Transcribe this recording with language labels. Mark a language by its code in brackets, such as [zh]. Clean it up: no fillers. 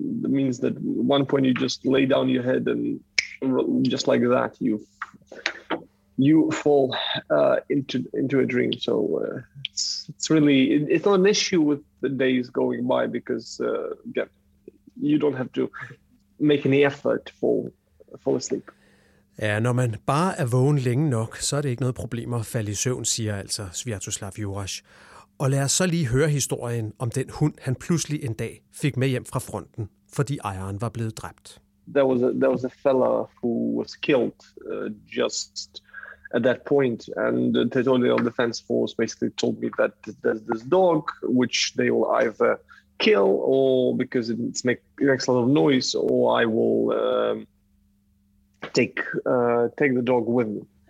[en] That means that at one point you just lay down your head and just like that you fall into a dream. So it's really not an issue with the days going by because you don't have to make any effort to fall asleep. [da] Ja, når man bare er vågen længe nok, så er det ikke noget problem at falde i søvn, siger altså Sviatoslav Juras. Og lad os så lige høre historien om den hund, han pludselig en dag fik med hjem fra fronten, fordi ejeren var blevet dræbt. [en] There was a fella who was killed just at that point, and the territorial defense force basically told me that there's this dog which they will either kill or because it makes a lot of noise, or I will take the dog with me.